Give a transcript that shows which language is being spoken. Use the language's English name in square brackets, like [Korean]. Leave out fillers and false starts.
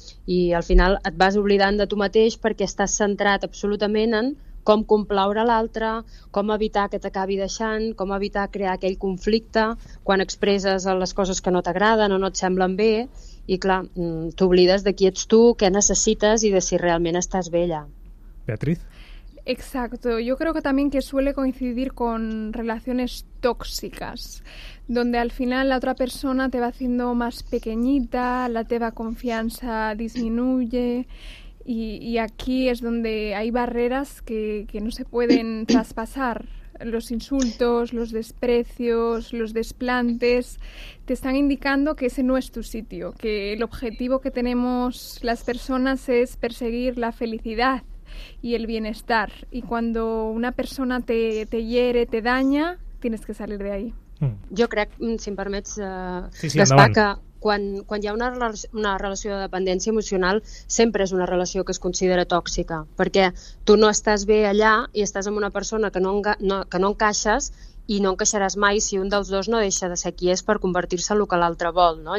[Catalan] I al final et vas oblidant de tu mateix perquè estàs centrat absolutament en com complaure l'altre, com evitar que t'acabi deixant, com evitar crear aquell conflicte quan expresses les coses que no t'agraden o no et semblen bé, i clar, t'oblides de qui ets tu, què necessites i de si realment estàs bé allà. [Spanish] Beatriz? Exacto. Yo creo que también que suele coincidir con relaciones tóxicas, donde al final la otra persona te va haciendo más pequeñita, [Catalan] la teva [Spanish] confianza disminuye, y aquí es donde hay barreras que no se pueden traspasar. Los insultos, los desprecios, los desplantes te están indicando que ese no es tu sitio, que el objetivo que tenemos las personas es perseguir la felicidad y el bienestar. Y cuando una persona te hiere, te daña, tienes que salir de ahí. [Catalan] Jo crec, si em permets, que quan hi ha una relació de dependència emocional, sempre és una relació que es considera tòxica, perquè tu no estàs bé allà i estàs amb una persona que no encaixes, i no encaixaràs mai si un dels dos no deixa de ser qui és per convertir-se en el que l'altre vol, no?